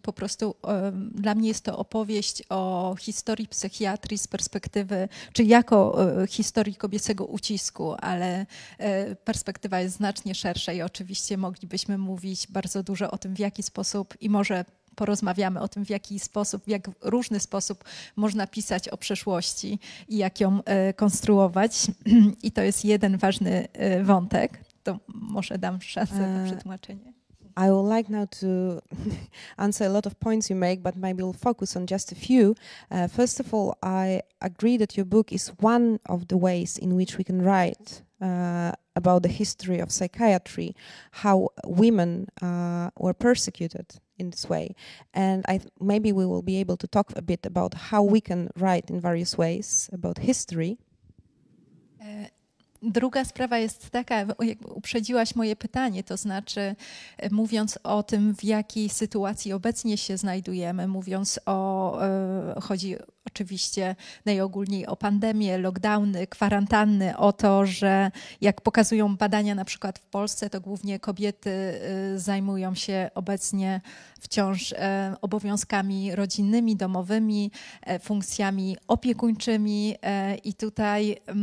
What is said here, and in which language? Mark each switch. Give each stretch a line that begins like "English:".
Polish: Po prostu dla mnie jest to opowieść o historii psychiatrii z perspektywy, czy jako historii kobiecego ucisku, ale perspektywa jest znacznie szersza i oczywiście moglibyśmy mówić bardzo dużo o tym, w jaki sposób i może porozmawiamy o tym, w jaki sposób, w jak różny sposób można pisać o przeszłości i jak ją konstruować. I to jest jeden ważny wątek. To może dam szansę na przetłumaczenie.
English: I would like now to answer a lot of points you make, but maybe we'll focus on just a few. First of all, I agree that your book is one of the ways in which we can write about the history of psychiatry, how women were persecuted in this way. And I maybe we will be able to talk a bit about how we can write in various ways about history.
Polish: Druga sprawa jest taka, jak uprzedziłaś moje pytanie, to znaczy mówiąc o tym, w jakiej sytuacji obecnie się znajdujemy, mówiąc o, chodzi oczywiście najogólniej o pandemię, lockdowny, kwarantanny, o to, że jak pokazują badania na przykład w Polsce, to głównie kobiety zajmują się obecnie wciąż obowiązkami rodzinnymi, domowymi, funkcjami opiekuńczymi i tutaj